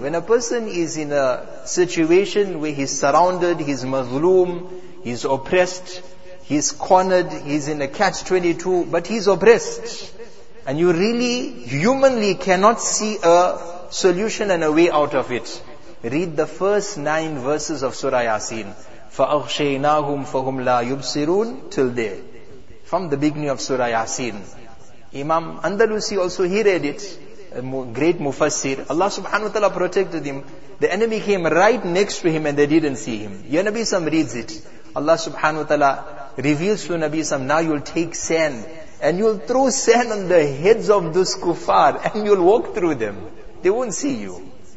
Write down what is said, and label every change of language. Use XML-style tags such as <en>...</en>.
<en>When a person is in a situation where he's surrounded, he's mazloom, he's oppressed, he's cornered, he's in a catch-22, but he's oppressed. And you really, humanly cannot see a solution and a way out of it. Read the first 9 verses of Surah Yasin.</en> <ar>فَأَغْشَيْنَاهُمْ فَهُمْ لَا يُبْصِرُونَ</ar> <en>till there. From the beginning of Surah Yasin. Imam Andalusi also, he read it. A great mufassir. Allah subhanahu wa ta'ala protected him. The enemy came right next to him and they didn't see him. Ya Nabi Sam reads it. Allah subhanahu wa ta'ala reveals to Nabi Sam, now you'll take sand and you'll throw sand on the heads of those kuffar and you'll walk through them. They won't see you.</en>